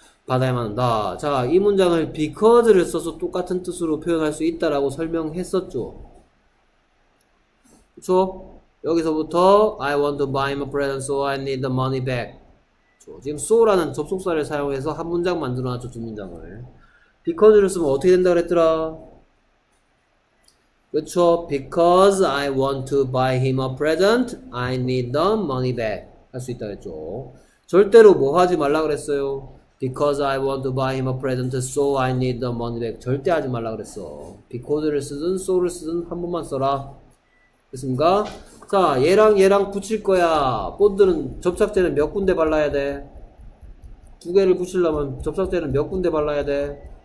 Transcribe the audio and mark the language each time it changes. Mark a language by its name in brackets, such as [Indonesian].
[Korean] 받아야만 한다. 자, 이 문장을 because를 써서 똑같은 뜻으로 표현할 수 있다라고 설명했었죠. 그렇죠? 여기서부터 [English] I want to buy him a present so I need the money back. [Korean] 지금 so라는 접속사를 사용해서 한 문장 만들어놨죠. 두 문장을. because를 쓰면 어떻게 된다 그랬더라? 그쵸? [English] because I want to buy him a present I need the money back [Korean] 할수 있다 그랬죠. 절대로 뭐 하지 말라 그랬어요? [English] because I want to buy him a present so I need the money back [Korean] 절대 하지 말라 그랬어. because를 쓰든 so를 쓰든 한 번만 써라. 됐습니까? 자, 얘랑 붙일 거야. 본드는 접착제는 몇 군데 발라야 돼? 두 개를 붙이려면 접착제는 몇 군데 발라야 돼?